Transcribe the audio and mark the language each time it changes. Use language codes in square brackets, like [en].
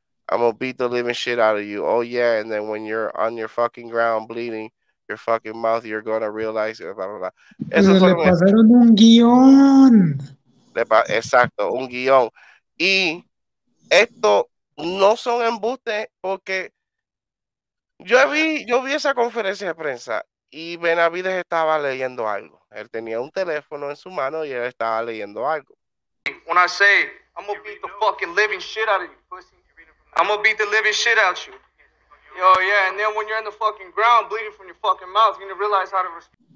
[en] I'm gonna beat the living shit out of you. Oh yeah, and then when you're on your fucking ground bleeding your fucking mouth, you're gonna realize it, blah, blah, blah. [es] Eso le pasaron un guión. Exacto, un guión. Y esto no son embustes, porque yo vi esa conferencia de prensa y Benavides estaba leyendo algo. Él tenía un teléfono en su mano y él estaba leyendo algo. [en] When I say, I'm gonna beat the fucking living shit out of you, pussy. I'm gonna beat the living shit out of you. Yo, yeah, and then when you're in the fucking ground bleeding from your fucking mouth, you're gonna realize how to respond.